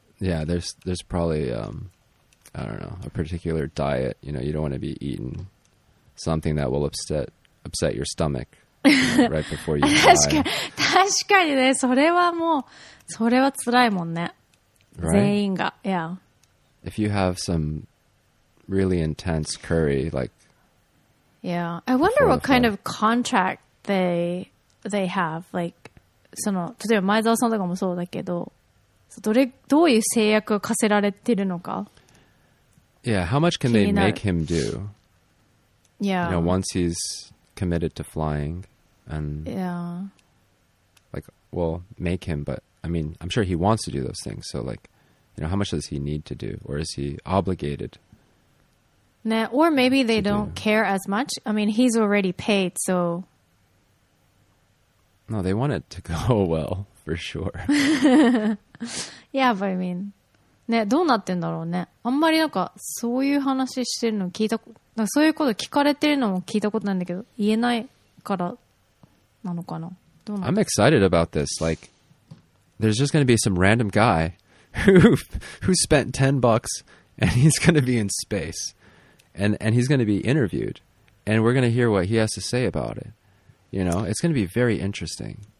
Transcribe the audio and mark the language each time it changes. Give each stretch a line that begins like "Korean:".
English: there's probably, I don't know, a particular diet. You know, you don't want to be eating something that will upset your stomach. Right before you die.
Japanese: 確かにね、それはもう、それは辛いもんね。
English: Right?
Japanese: 全員が、
English: yeah. If you have some really intense curry, like... Yeah, I wonder what kind of contract they have. Like,
Japanese: その、例えば前澤さんとかもそうだけど、どういう制約を課せられてるのか?
English: Yeah, how much can they make him do? Yeah. You know, once he's... committed to flying and yeah like well make him but I mean I'm sure he wants to do those things so like you know how much does he need to do or is he obligated or maybe they don't care as much I mean he's already paid so no they want it to go well for sure yeah but I mean
Japanese: ねどうなってんだろうねあんまりなんかそういう話してるの聞いたなんかそういうこと聞かれてるのも聞いたことないんだけど言えないからなのかな。どうなの?
English: I'm excited about this. Like, there's just going to be some random guy who spent $10 and he's going to be in space and he's going to be interviewed and we're going to hear what he has to say about it. You know, it's going to be very interesting.